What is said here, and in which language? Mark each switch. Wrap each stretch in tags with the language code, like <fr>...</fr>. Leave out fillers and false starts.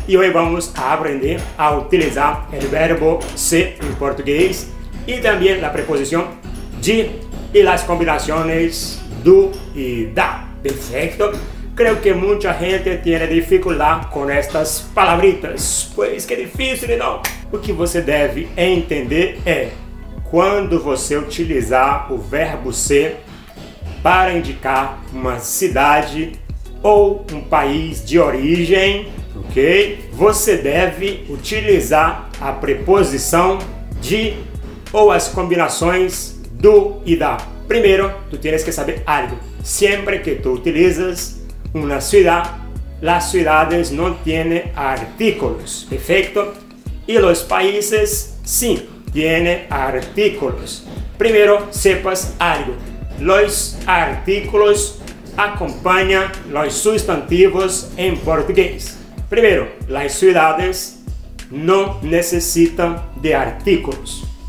<es>Y hoy vamos a aprender a utilizar el verbo se en portugués y también la preposición de y las combinaciones do y da. Perfecto. Creo que mucha gente tiene dificultad con estas palabritas. Pues qué difícil, ¿no?</es> <pt>O que você deve entender é quando você utilizar o verbo ser para indicar uma cidade ou um país de origem, ok? Você deve utilizar a preposição de ou as combinações do e da. Primeiro,</pt> <es>tu tienes que saber algo.</es> <pt>Sempre que tu utilizas uma cidade,</pt> <es>las ciudades</es> <pt>não têm artículos, perfeito?</pt> <es>Y los países, sí, tiene artículos. Primero, sepas algo. Los artículos acompañan los sustantivos en portugués. Primero, las ciudades no necesitan de artículos.</es>